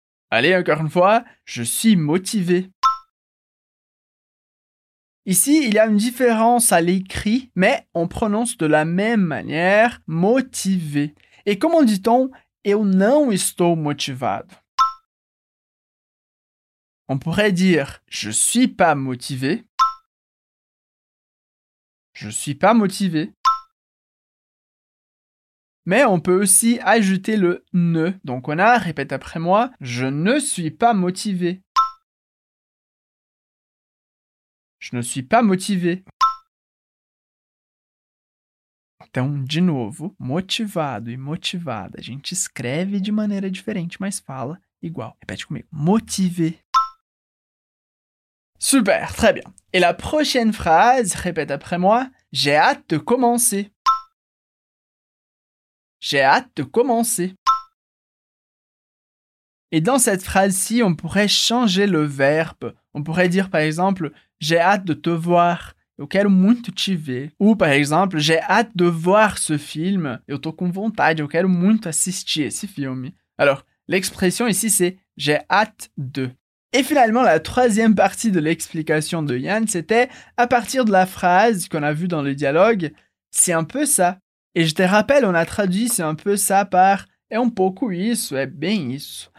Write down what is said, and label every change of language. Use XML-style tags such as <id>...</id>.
<fr>Allez, encore une fois, je suis motivé. Ici, il y a une différence à l'écrit, mais on prononce de la même manière « motivé ». Et comment dit-on «</fr> <pt>eu não estou motivado » ?</pt> <fr>On pourrait dire « je suis pas motivé ». Je suis pas motivé. Mais on peut aussi ajouter le « ne ». Donc on a, répète après moi, « je ne suis pas motivé ». Je ne suis pas motivé.</fr> <pt>Então, de novo, motivado e motivada. A gente escreve de maneira diferente, mas fala igual. Repete comigo.</pt> <fr>Motivé. Super, très bien. Et la prochaine phrase, répète après moi, j'ai hâte de commencer. J'ai hâte de commencer. Et dans cette phrase-ci, on pourrait changer le verbe. On pourrait dire, par exemple, j'ai hâte de te voir.</fr> <pt>Eu quero muito te ver.</pt> <fr>Ou, par exemple, j'ai hâte de voir ce film.</fr> <pt>Eu tô com vontade, eu quero muito assistir esse filme.</pt> <fr>Alors, l'expression ici, c'est j'ai hâte de. Et finalement, la troisième partie de l'explication de Yann, c'était à partir de la phrase qu'on a vue dans le dialogue, c'est un peu ça. Et je te rappelle, on a traduit c'est un peu ça par</fr> <pt>é um pouco isso, é bem isso.</pt>